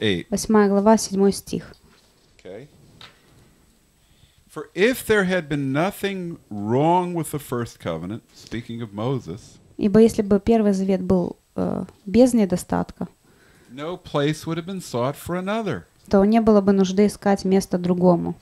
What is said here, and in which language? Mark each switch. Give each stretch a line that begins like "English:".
Russian: Восьмая глава, седьмой стих.
English: Okay. For if there had been nothing wrong with the first covenant, speaking of Moses,
Russian: ибо если бы первый завет был без недостатка,
English: no place would have been sought for another.
Russian: То не было бы нужды искать место другому.